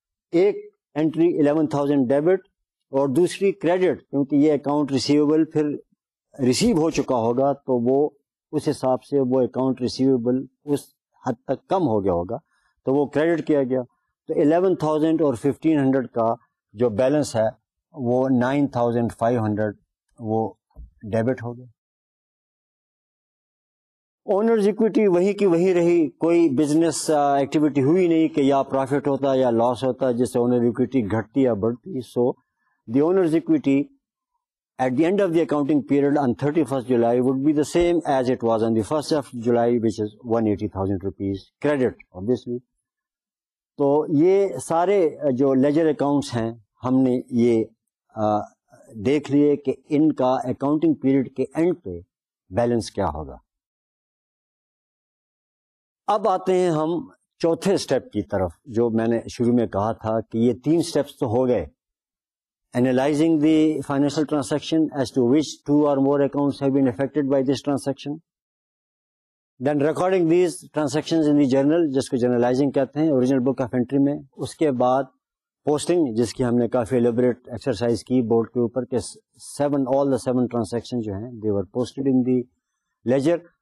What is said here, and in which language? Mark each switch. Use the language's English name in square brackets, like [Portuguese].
[Urdu] ایک entry 11,000 debit اور دوسری کریڈٹ, کیونکہ یہ اکاؤنٹ ریسیویبل پھر ریسیو ہو چکا ہوگا تو وہ اس حساب سے وہ اکاؤنٹ ریسیویبل اس حد تک کم ہو گیا ہوگا تو وہ کریڈٹ کیا گیا, تو 11,000 اور 1500 کا جو بیلنس ہے وہ 9,500 وہ ڈیبٹ ہو گیا. اونرز ایکویٹی وہی کی وہی رہی, کوئی بزنس ایکٹیویٹی ہوئی نہیں کہ یا پروفٹ ہوتا یا لاس ہوتا جس سے اونر ایکویٹی گھٹتی یا بڑھتی. [English] So the owner's equity at the end of the accounting period on 31st July would be the same as it was on the 1st July which is 180,000 rupees credit obviously. [Urdu] تو یہ سارے جو ledger accounts ہیں ہم نے یہ دیکھ لیے کہ ان کا اکاؤنٹنگ پیریڈ کے اینڈ پہ بیلنس کیا ہوگا. اب آتے ہیں ہم چوتھے اسٹیپ کی طرف, جو میں نے شروع میں کہا تھا کہ یہ تین اسٹیپس تو ہو گئے, [English] analysing the financial transaction as to which two or more accounts have been affected by this transaction, then recording these transactions in the journal [Urdu] جس کو جرنلائزنگ کہتے ہیں اوریجنل بک آف انٹری میں, اس کے بعد پوسٹنگ جس کی ہم نے کافی الیبوریٹ ایکسرسائز کی بورڈ کے اوپر کہ [English] all the seven transaction [Urdu] جو ہیں [English] They were posted in the ledger.